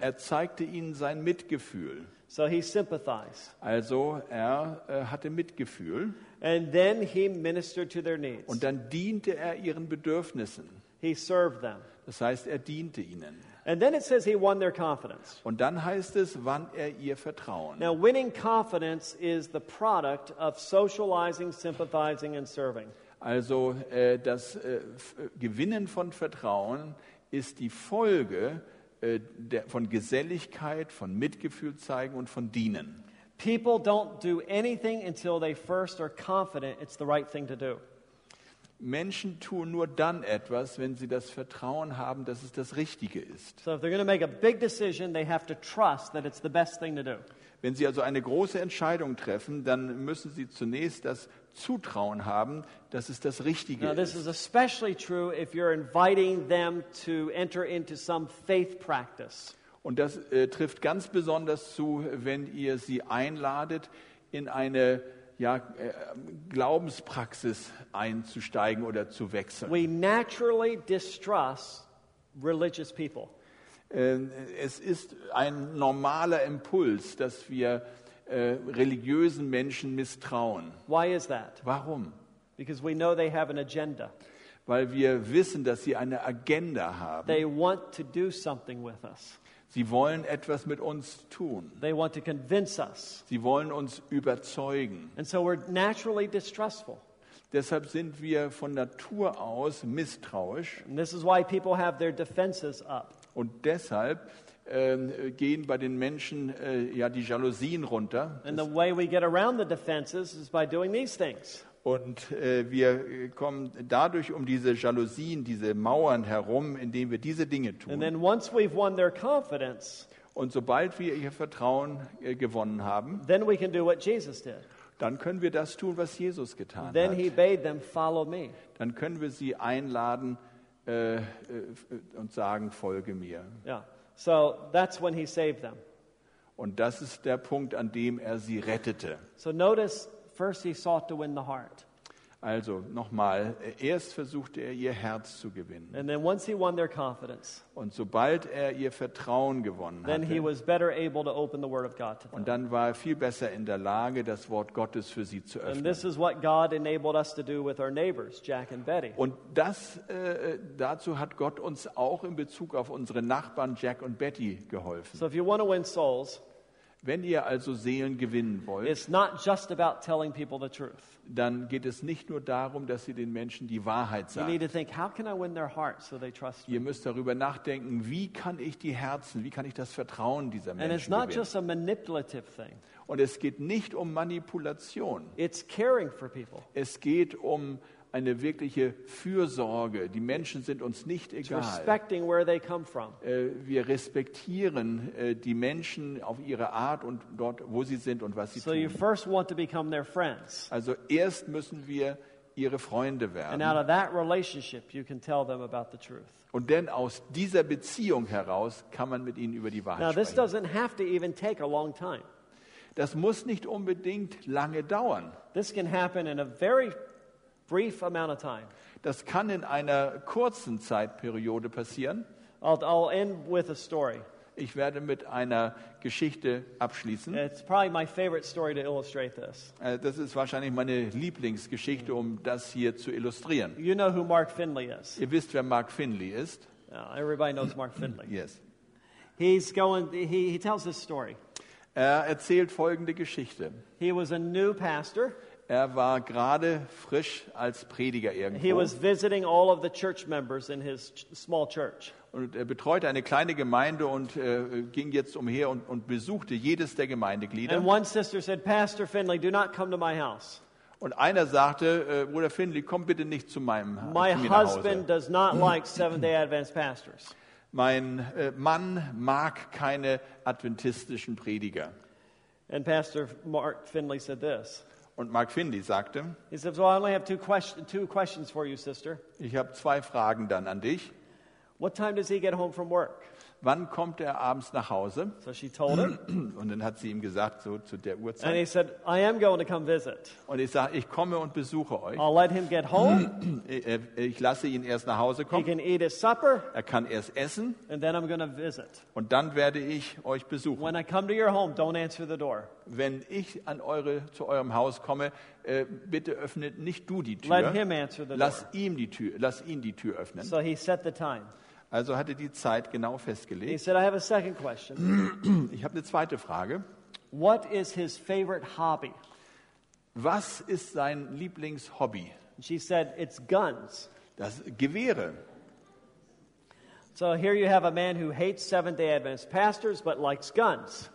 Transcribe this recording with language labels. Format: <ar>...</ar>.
<de>Er zeigte ihnen sein Mitgefühl.</de> <en>So he sympathized.</en> <de>Also er hatte Mitgefühl.</de> <en>And then he ministered to their needs.</en> <de>Und dann diente er ihren Bedürfnissen.</de> <en>He served them.</en> <de>Das heißt, er diente ihnen.</de> <en>And then it says he won their confidence.</en> <de>Und dann heißt es, wann er ihr Vertrauen.</de> <en>Now winning confidence is the product of socializing, sympathizing and serving.</en> <de>Also das Gewinnen von Vertrauen ist die Folge von Geselligkeit, von Mitgefühl zeigen und von dienen.</de> <en>People don't do anything until they first are confident it's the right thing to do.</en> <de>Menschen tun nur dann etwas, wenn sie das Vertrauen haben, dass es das Richtige ist.</de> <en>So if they're going to make a big decision, they have to trust that it's the best thing to do.</en> <de>Wenn sie also eine große Entscheidung treffen, dann müssen sie zunächst das Zutrauen haben, dass es das Richtige ist.</de> <en>Now this is especially true if you're inviting them to enter into some faith practice.</en> <de>Und das trifft ganz besonders zu, wenn ihr sie einladet, in eine Glaubenspraxis einzusteigen oder zu wechseln.</de> <en>We naturally distrust religious people.</en> <de>Es ist ein normaler Impuls, dass wir religiösen Menschen misstrauen.</de> <en>Why is that?</en> <de>Warum?</de> <en>Because we know they have an agenda.</en> <de>Weil wir wissen, dass sie eine Agenda haben.</de> <en>They want to do something with us.</en> <de>Sie wollen etwas mit uns tun.</de> <en>They want to convince us.</en> <de>Sie wollen uns überzeugen.</de> <en>And so we're naturally distrustful.</en> <de>Deshalb sind wir von Natur aus misstrauisch.</de> <en>And this is why people have their defenses up.</en> <de>Und deshalb gehen bei den Menschen die Jalousien runter.</de> <en>And the way we get around the defenses is by doing these things.</en> <de>Und wir kommen dadurch um diese Jalousien, diese Mauern herum, indem wir diese Dinge tun.</de> <en>And then once we've won their confidence,</en> <de>und sobald wir ihr Vertrauen gewonnen haben,</de> <en>then we can do what Jesus did.</en> <de>Dann können wir das tun, was Jesus getan</de> <en>then</en> <de>hat.</de> <en>He bade them, follow me.</en> <de>Dann können wir sie einladen und sagen, folge mir.</de> <en>Yeah. So that's when he saved them.</en> <de>Und das ist der Punkt, an dem er sie rettete.</de> <en>So notice, first he sought to win the heart.</en> <de>Also nochmal, erst versuchte er ihr Herz zu gewinnen.</de> <en>And then once he won their confidence.</en> <de>Und sobald er ihr Vertrauen gewonnen</de> <en>then</en> <de>hatte,</de> <en>he was better able to open the word of God to them.</en> <de>Und dann war er viel besser in der Lage, das Wort Gottes für sie zu öffnen.</de> <en>And this is what God enabled us to do with our neighbors, Jack and Betty.</en> <de>Und das dazu hat Gott uns auch in Bezug auf unsere Nachbarn Jack und Betty geholfen.</de> <en>So if you want to win souls,</en> <de>wenn ihr also Seelen gewinnen wollt,</de> <en>it's not just about telling people the truth.</en> <de>Dann geht es nicht nur darum, dass ihr den Menschen die Wahrheit sagt.</de> <en>You need to think, how can I win their hearts so they trust me?</en> <de>Ihr müsst darüber nachdenken, wie kann ich die Herzen, wie kann ich das Vertrauen dieser Menschen gewinnen?</de> <en>And it's not just a manipulative thing.</en> <de>Und es geht nicht um Manipulation.</de> <en>It's caring for people.</en> <de>Es geht um eine wirkliche Fürsorge. Die Menschen sind uns nicht egal.</de> <en>Respecting where they come from.</en> <de>Wir respektieren die Menschen auf ihre Art und dort, wo sie sind und was sie so tun.</de> <en>You first want to become their friends.</en> <de>Also erst müssen wir ihre Freunde werden.</de> <en>And out of that relationship you can tell them about the truth.</en> <de>Und denn aus dieser Beziehung heraus kann man mit ihnen über die Wahrheit sprechen.</de> <en>Now this doesn't have to even take a long time.</en> <de>Das muss nicht unbedingt lange dauern.</de> <en>This can happen in a very brief amount of time.</en> <de>Das kann in einer kurzen Zeitperiode passieren.</de> <en>I'll end with a story.</en> <de>Ich werde mit einer Geschichte abschließen.</de> <en>It's probably my favorite story to illustrate this.</en> <de>Das ist wahrscheinlich meine Lieblingsgeschichte, um das hier zu illustrieren.</de> <en>You know who Mark Finley is.</en> <de>Ihr wisst, wer Mark Finley ist.</de> <en>Everybody knows Mark Finley. Yes. He tells this story.</en> <de>Er erzählt folgende Geschichte.</de> <en>He was a new pastor.</en> <de>Er war gerade frisch als Prediger irgendwo.</de> <en>He was visiting all of the church members in his small church.</en> <de>Und er betreute eine kleine Gemeinde und ging jetzt umher und besuchte jedes der Gemeindeglieder.</de> <en>And one sister said, "Pastor Finley, do not come to my house."</en> <de>Und einer sagte, Bruder Finley, komm bitte nicht zu meinem</de> <en>my</en> <de>zu mir nach Hause.</de> <en>My husband does not like Seventh-day Adventist pastors.</en> <de>Mein Mann mag keine adventistischen Prediger.</de> <en>And Pastor Mark Finley said this.</en> <de>Und Mark Finley sagte,</de> <en>he says, well, I only have two questions for you, sister.</en> <de>Ich habe zwei Fragen dann an dich.</de> <en>What time does he get home from work?</en> <de>wann kommt er abends nach Hause?</de> <en>So she told him.</en> <de>Und dann hat sie ihm gesagt, so zu der Uhrzeit.</de> <en>And he said, I am going to come visit.</en> <de>Und ich sage, ich komme und besuche euch.</de> <en>I'll let him get home.</en> <de>Ich lasse ihn erst nach Hause kommen.</de> <en>He can eat his supper.</en> <de>Er kann erst essen.</de> <en>And then I'm going to visit.</en> <de>Und dann werde ich euch besuchen.</de> <en>When I come to your home, don't answer the door.</en> <de>Wenn ich an zu eurem Haus komme, bitte öffnet nicht du die Tür.</de> <en>Let him answer the</en> <de>lass</de> <en>door.</en> <de>Ihm die Tür, lass ihn die Tür öffnen.</de> <en>So he set the time.</en> <de>Also hat er die Zeit genau festgelegt.</de> <en>He said, I have a second question.</en> <de>Ich habe eine zweite Frage.</de> <en>What is his favorite hobby?</en> <de>Was ist sein Lieblingshobby?</de> <en>She said, it's guns.</en> <de>Das Gewehre.</de> <en>So here you have a man who hates Seventh-day Adventist pastors but likes guns.</en>